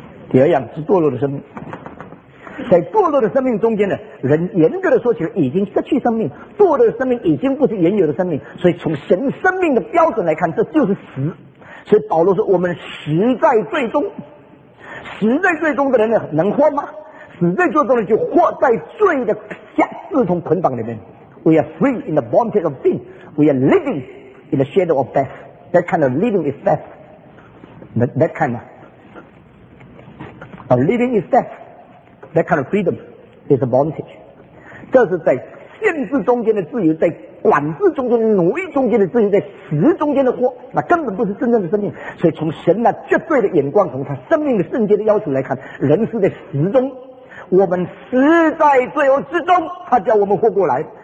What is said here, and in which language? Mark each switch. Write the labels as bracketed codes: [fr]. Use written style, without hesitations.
[zh] 第二样是堕落的生命，在堕落的生命中间呢，人严格的说起来已经失去生命，堕落的生命已经不是原有的生命，所以从神生命的标准来看，这就是死。所以保罗说我们死在罪中，死在罪中的人呢能活吗？死在罪中的人就活在罪的下四重捆绑里面。 [en] We are free in the bondage of sin. We are living in the shadow of death. That kind of living is death. That kind of living is deathThat kind of freedom is a bondage. [zh] 这是在限制中间的自由，在管制中间、奴役中间的自由，在死中间的活，那根本不是真正的生命。所以从神那绝对的眼光，从他生命的圣洁的要求来看，人是在死中，我们死在罪恶之中，他叫我们活过来。